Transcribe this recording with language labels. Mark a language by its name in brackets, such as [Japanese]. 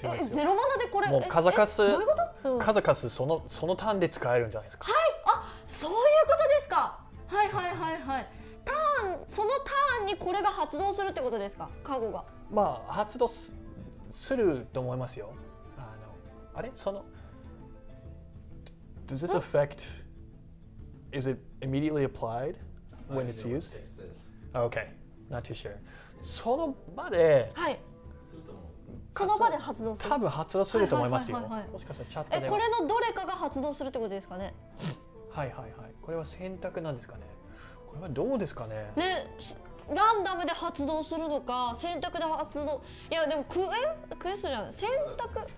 [Japanese] ゼロマナでこれ、もうカザカス、どういうこと、カザカス、そのターンで使えるんじゃないですか。はい、あ、そういうことですか。はいはいはいはい、ターン、そのターンにこれが発動するってことですか、カゴが。まあ発動 すると思いますよ。あれ、その [English] Does this effect is it immediately applied when it's used? Okay, not too sure. [Japanese] その場で、はい、その場で発動する、多分発動すると思いますよ。これのどれかが発動するってことですかね。はいはいはい、これは選択なんですかね、これはどうですかね。ね、ランダムで発動するのか、選択で発動、いやでもクエストじゃない、選択、